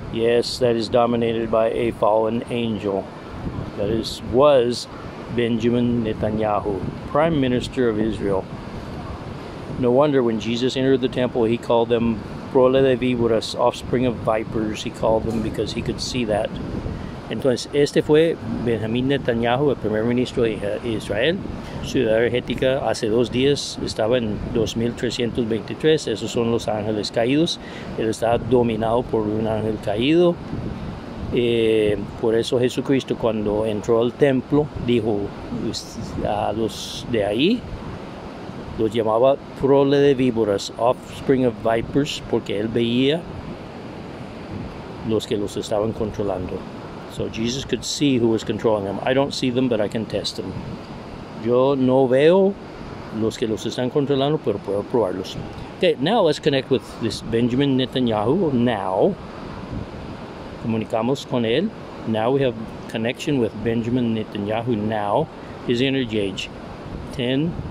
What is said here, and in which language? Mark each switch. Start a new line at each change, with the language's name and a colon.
English: Yes, that is dominated by a fallen angel. That is, was Benjamin Netanyahu, Prime Minister of Israel. No wonder when Jesus entered the temple, he called them
Spanish: prole de víboras,
English: offspring of vipers, he called them because he could see that.
Spanish: Entonces, este fue Benjamin Netanyahu, el primer ministro de Israel. Su edad energética hace 2 días estaba en 2,323. Esos son los ángeles caídos. Él estaba dominado por un ángel caído. Por eso Jesucristo, cuando entró al templo, dijo a los de ahí, los llamaba prole de víboras,
English: offspring of vipers,
Spanish: porque él veía los que los estaban controlando.
English: So Jesus could see who was controlling them. I don't see them, but I can test them.
Spanish: Yo no veo, los que los están controlando, pero puedo probarlos.
English: Okay, now let's connect with this Benjamin Netanyahu. Now,
Spanish: comunicamos con él.
English: Now we have connection with Benjamin Netanyahu. Now, his energy age, 10.